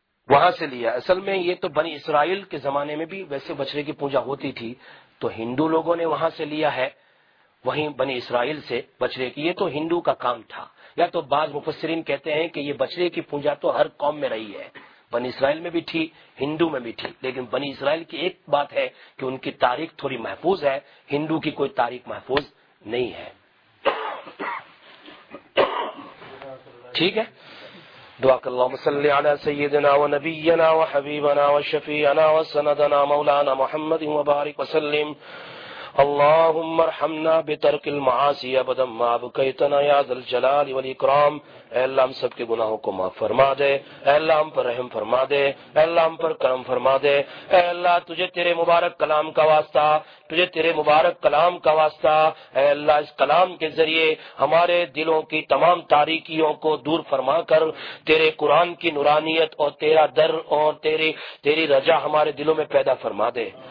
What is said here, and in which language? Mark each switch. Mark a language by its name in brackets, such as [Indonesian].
[Urdu] وہاں سے لیا, اصل میں یہ تو بنی اسرائیل کے زمانے میں بھی ویسے بچڑے کی پوجا ہوتی تھی, تو ہندو لوگوں نے وہاں سے لیا ہے, وہیں بنی اسرائیل سے بچڑے کی, یہ تو ہندو کا کام تھا, یا تو بعض مفسرین کہتے ہیں کہ یہ بچڑے کی پوجا تو ہر قوم میں رہی ہے, بنی اسرائیل میں بھی تھی, ہندو میں بھی تھی, لیکن بنی اسرائیل کی ایک بات ہے کہ ان کی تاریخ تھوڑی محفوظ ہے, ہندو کی کوئی تاریخ محفوظ نہیں ہے. ٹھیک ہے, [Arabic] دعاك اللهم صل على سيدنا ونبينا وحبيبنا وشفيعنا وسندنا مولانا محمد وبارك وسلم. اللهم ارحمنا بترك المعاصي ابدا ما بقيتنا يا ذا الجلال والاكرام. [Urdu] اے اللہ ہم سب کے گناہوں کو معاف فرما دے, اے اللہ ہم پر رحم فرما دے, اے اللہ ہم پر کرم فرما دے, اے اللہ تجھے تیرے مبارک کلام کا واسطہ, تجھے تیرے مبارک کلام کا واسطہ, اے اللہ اس کلام کے ذریعے ہمارے دلوں کی تمام تاریکیوں کو دور فرما کر تیرے قرآن کی نورانیت اور تیرا در اور تیری رجا ہمارے دلوں میں پیدا فرما دے.